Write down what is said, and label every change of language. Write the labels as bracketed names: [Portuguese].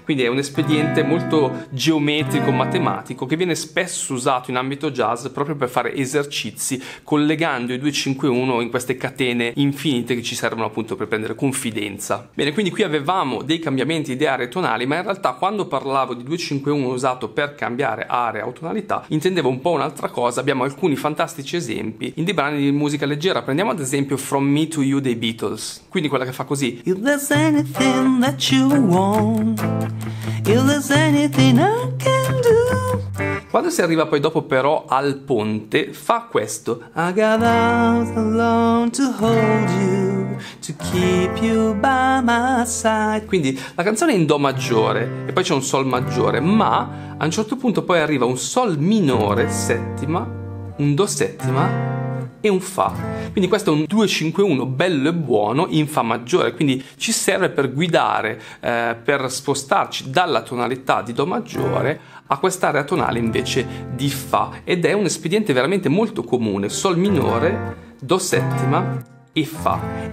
[Italian] Quindi è un espediente molto geometrico, matematico, che viene spesso usato in ambito jazz proprio per fare esercizi collegando i 2-5-1 in queste catene infinite che ci servono appunto per prendere confidenza. Bene, quindi qui avevamo dei cambiamenti di aree tonali, ma in realtà quando parlavo di 2-5-1 usato per cambiare area o tonalità intendevo un po' un'altra cosa. Abbiamo alcuni fantastici esempi in dei brani di musica leggera. Prendiamo ad esempio From Me to You dei Beatles, quindi quella che fa così. [English] If there's anything that you want, if there's anything I can do. [Italian] Quando si arriva poi dopo però al ponte, fa questo. [English] I got arms alone to hold you, to keep you by my side. [Italian] Quindi la canzone è in Do maggiore e poi c'è un Sol maggiore, ma a un certo punto poi arriva un Sol minore settima, un Do settima e un Fa. Quindi questo è un 2-5-1 bello e buono in Fa maggiore, quindi ci serve per guidare, per spostarci dalla tonalità di Do maggiore a quest'area tonale invece di Fa, ed è un espediente veramente molto comune: Sol minore, Do settima e Fa.